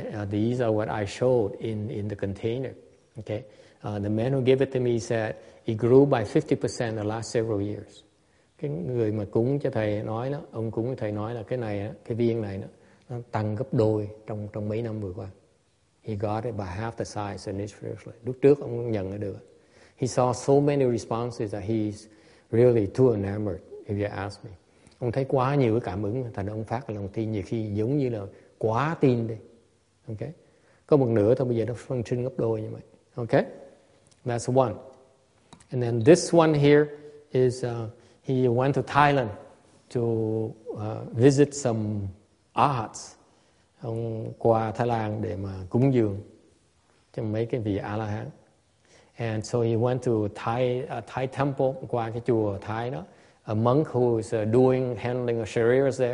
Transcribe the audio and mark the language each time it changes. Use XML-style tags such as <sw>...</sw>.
<en>These are what I showed in the container. Okay, the man who gave it to me said it grew by 50% the last several years.</en> <vi>Cái người mà cúng cho thầy nói đó, ông cúng cho thầy nói là cái này, cái viên này nó tăng gấp đôi trong mấy năm vừa qua.</vi> <en>He got it by half the size initially.</en> <vi>Lúc trước ông nhận được.</vi> <en>He saw so many responses that he's really too enamored, if you ask me.</en> <vi>Ông thấy quá nhiều cái cảm ứng, thành ông phát lòng tin nhiều khi giống như là quá tin đi. Okay? Có một nửa thôi, bây giờ nó phân sinh gấp đôi như vậy.</vi> <en>Okay? That's one. And then this one here is... he went to Thailand to visit some arhats.</en> <vi>Ông qua Thái Lan để mà cúng dường cho mấy cái vị A-la-hán.</vi> <en>And so he went to Thai temple,</en> <vi>qua cái chùa Thái đó.</vi> <en>A monk who is handling a shares there.</en>